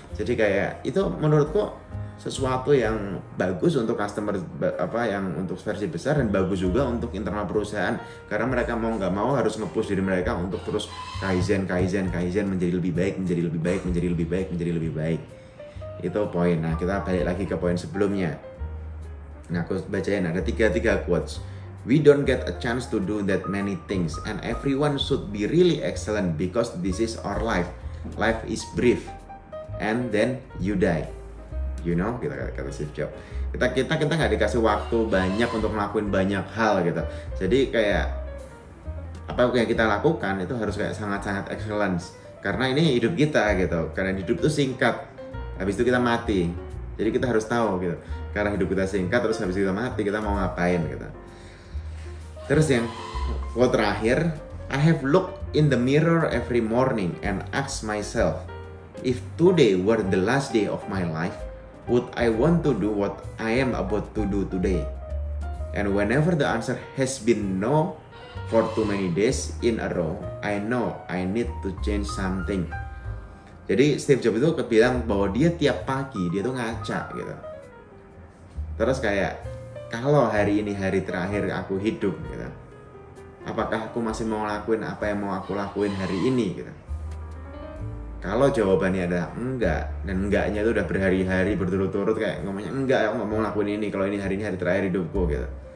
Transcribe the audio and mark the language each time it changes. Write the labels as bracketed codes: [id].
[id] Jadi kayak itu menurutku sesuatu yang bagus untuk customer, apa, yang untuk versi besar, dan bagus juga untuk internal perusahaan karena mereka mau nggak mau harus nge-push diri mereka untuk terus kaizen, menjadi lebih baik. Itu poin. Nah, kita balik lagi ke poin sebelumnya. Nah, aku bacain ada tiga quotes. [en] We don't get a chance to do that many things, and everyone should be really excellent because this is our life. Life is brief, and then you die. You know, [id] kita kata [en] Steve Jobs. [id] Kita nggak dikasih waktu banyak untuk ngelakuin banyak hal gitu. Jadi kayak apa yang kita lakukan itu harus kayak sangat-sangat excellence. Karena ini hidup kita gitu. Karena hidup itu singkat. Habis itu kita mati. Jadi kita harus tahu gitu. Karena hidup kita singkat, terus habis itu kita mati, kita mau ngapain gitu. Terus yang quote terakhir, [en] I have looked in the mirror every morning and asked myself, if today were the last day of my life, would I want to do what I am about to do today? And whenever the answer has been no for too many days in a row, I know I need to change something. [id] Jadi Steve Jobs itu bilang bahwa dia tiap pagi dia tuh ngaca gitu. Terus kayak, kalau hari ini hari terakhir aku hidup gitu, apakah aku masih mau lakuin apa yang mau aku lakuin hari ini gitu? Kalau jawabannya adalah enggak, dan enggaknya itu udah berhari-hari berturut-turut kayak ngomongnya enggak, aku gak mau lakuin ini kalau ini hari ini hari terakhir hidupku gitu.